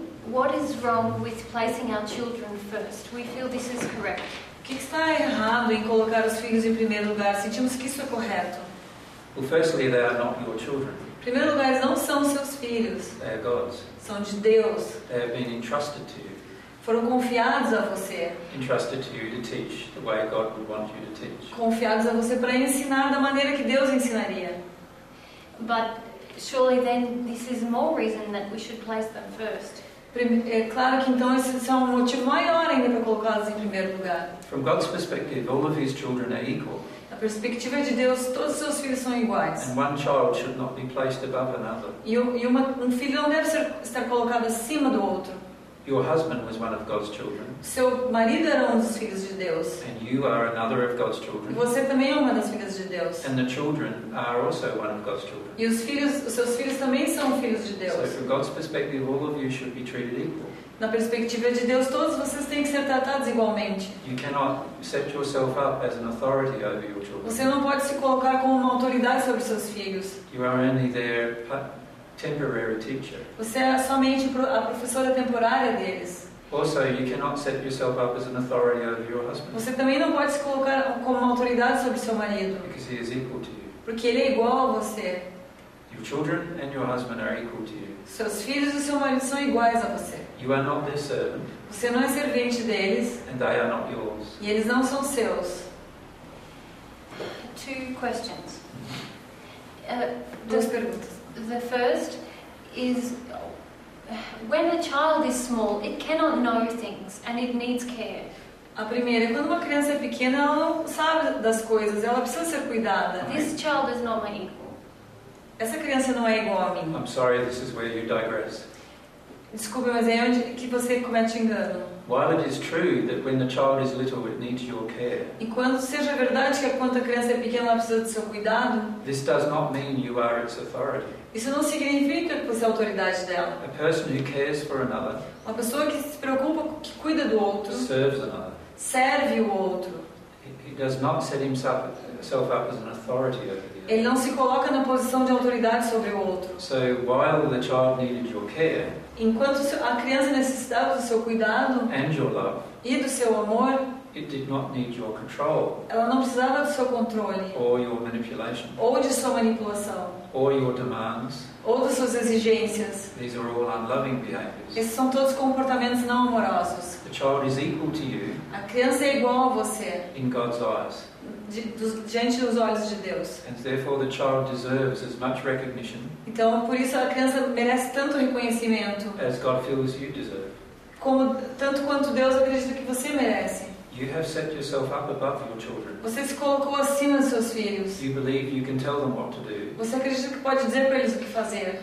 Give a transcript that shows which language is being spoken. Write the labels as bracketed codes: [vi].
[en] What is wrong with placing our children first? We feel this is correct. [pt] O que está errado em colocar os filhos em primeiro lugar? Sentimos que isso é correto. [en] Well, firstly, they are not your children. [pt] Em primeiro lugar, eles não são seus filhos. [en] They are God's. [pt] São de Deus. [en] They have been entrusted to you. [pt] Foram confiados a você. [en] Entrusted to you to teach the way God would want you to teach. [pt] Confiados a você para ensinar da maneira que Deus ensinaria. [en] But surely then this is more reason that we should place them first. [pt] É claro que então isso é um motivo maior ainda para colocá-los em primeiro lugar. [en] From God's perspective, all of His children are equal. [pt] Da perspectiva de Deus, todos os seus filhos são iguais. [en] And one child should not be placed above another. [pt] E um filho não deve estar colocado acima do outro. [en] Your husband was one of God's children. [pt] Seu marido era dos filhos de Deus. [en] And you are another of God's children. [pt] E você também é uma das filhas de Deus. [en] And the children are also one of God's children. [pt] E os seus filhos também são filhos de Deus. [en] So from God's perspective, all of you should be treated equal. [pt] Na perspectiva de Deus, todos vocês têm que ser tratados igualmente. [en] You cannot set yourself up as an authority over your children. [pt] Você não pode se colocar como uma autoridade sobre seus filhos. [en] You are only their temporary teacher. [pt] Você é somente a professora temporária deles. [en] Also, you cannot set yourself up as an authority over your husband. [pt] Você também não pode se colocar como uma autoridade sobre seu marido. [en] Because he is equal to you. [pt] Porque ele é igual a você. [en] Your children and your husband are equal to you. [pt] Seus filhos e seu marido são iguais a você. [en] You are not their servant. [pt] Você não é servente deles. [en] And they are not yours. [pt] E eles não são seus. [en] Two questions. [pt] Duas perguntas. [en] The first is, when a child is small, it cannot know things and it needs care. [pt] A primeira, quando uma criança é pequena, ela não sabe das coisas, ela precisa ser cuidada. [en] This child is not my equal. [pt] Essa criança não é igual a mim. [en] I'm sorry, this is where you digress. [pt] Desculpe, mas é onde que você comete engano. [en] While it is true that when the child is little, it needs your care. [pt] Enquanto seja verdade que quando a criança é pequena ela precisa do seu cuidado. [en] This does not mean you are its authority. [pt] Isso não significa que você é a autoridade dela. [en] A person who cares for another. [pt] Uma pessoa que se preocupa, que cuida do outro. [en] Serves another. [pt] Serve o outro. [en] He does not set himself up as an authority over the other. [pt] Ele não se coloca na posição de autoridade sobre o outro. [en] So while the child needed your care. [pt] Enquanto a criança necessitava do seu cuidado [en] and your love, [pt] e do seu amor, [en] it did not need your control, [pt] ela não precisava do seu controle [en] or your manipulation, [pt] ou de sua manipulação [en] or your demands, [pt] ou de suas exigências. [en] These are all unloving behaviors. [pt] Esses são todos comportamentos não amorosos. [en] The child is equal to you, [pt] a criança é igual a você [en] in God's eyes. [pt] Diante dos olhos de Deus. [en] And therefore the child deserves as much recognition. [pt] Então, por isso a criança merece tanto reconhecimento. [en] As God feels you deserve. [pt] Como tanto quanto Deus acredita que você merece. [en] You have set yourself up above your children. [pt] Você se colocou acima dos seus filhos. [en] You believe you can tell them what to do. [pt] Você acredita que pode dizer para eles o que fazer.